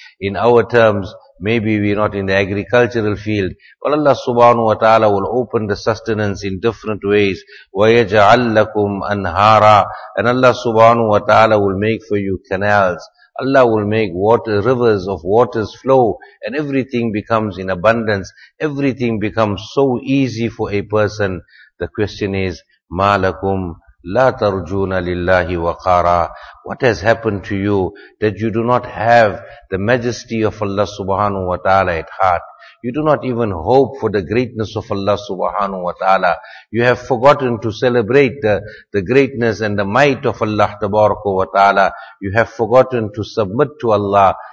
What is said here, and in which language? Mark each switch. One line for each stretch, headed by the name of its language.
English: In our terms, maybe we're not in the agricultural field, but Allah subhanahu wa ta'ala will open the sustenance in different ways.
Arabic: وَيَجْعَلْ لَكُمْ أَنْهَارًا.
English: And Allah subhanahu wa ta'ala will make for you canals. Allah will make water, rivers of waters flow, and everything becomes in abundance. Everything becomes so easy for a person. The question is,
Arabic: مَا لَكُمْ لَا تَرْجُونَ لِلَّهِ وَقَارًا.
English: What has happened to you that you do not have the majesty of Allah subhanahu wa ta'ala at heart? You do not even hope for the greatness of Allah subhanahu wa ta'ala. You have forgotten to celebrate the greatness and the might of Allah tabaraka wa ta'ala. You have forgotten to submit to Allah.